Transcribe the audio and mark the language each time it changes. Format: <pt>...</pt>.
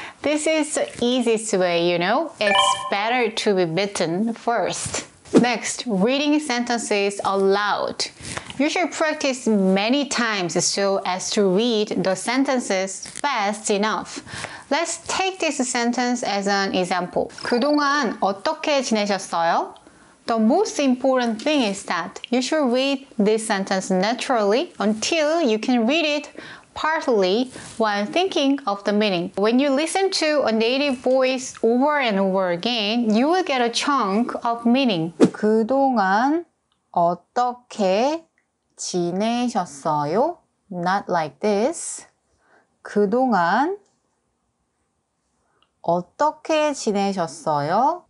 <en>This is the easiest way, you know? It's better to be written first. Next, reading sentences aloud. You should practice many times so as to read the sentences fast enough. Let's take this sentence as an example.</en> <ko>그동안 어떻게 지내셨어요?</ko> <en>The most important thing is that you should read this sentence naturally until you can read it partly while thinking of the meaning. When you listen to a native voice over and over again, you will get a chunk of meaning.</en> <ko>그동안 어떻게 지내셨어요?</ko> <en>Not like this.</en> <ko>그동안 어떻게 지내셨어요?</ko>